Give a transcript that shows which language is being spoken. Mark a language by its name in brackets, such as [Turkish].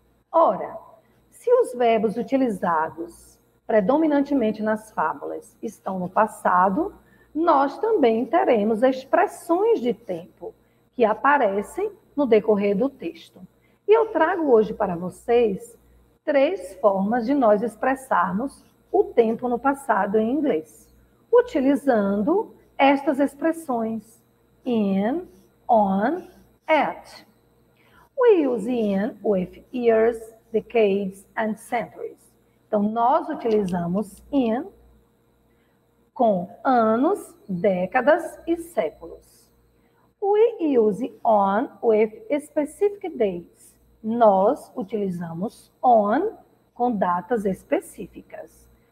[Portuguese] Ora, se os verbos utilizados predominantemente nas fábulas estão no passado, nós também teremos expressões de tempo que aparecem no decorrer do texto. E eu trago hoje para vocês três formas de nós expressarmos o tempo no passado em inglês, utilizando estas expressões in, on, at. [English] We use in with years, decades and centuries. [Portuguese] Então, nós utilizamos in com anos, décadas e séculos. [English] We use on with specific dates. [Portuguese] Nós utilizamos on com datas específicas.